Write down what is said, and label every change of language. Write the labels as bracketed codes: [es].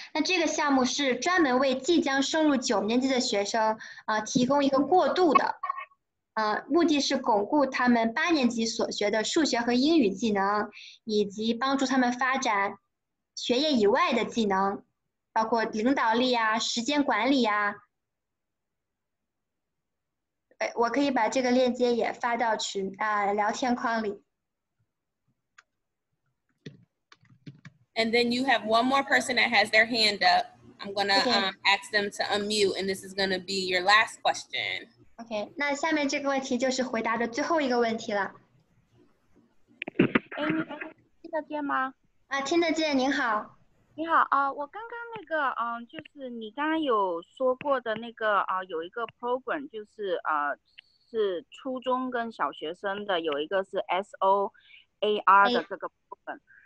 [zh] 那这个项目是专门为即将升入九年级的学生提供一个过渡的，目的是巩固他们八年级所学的数学和英语技能，以及帮助他们发展学业以外的技能，包括领导力啊、时间管理啊。我可以把这个链接也发到群聊天框里。 [en] And then you have one more person that has their hand up. I'm gonna ask them to unmute, and this is gonna be your last question. [zh] OK， 那下面这个问题就是回答的最后一个问题了。哎，你听得见吗？听得见。您好。你好啊，我刚刚那个就是你刚刚有说过的那个有一个 program， 就是是初中跟小学生的，有一个是 SOAR 的这个 program。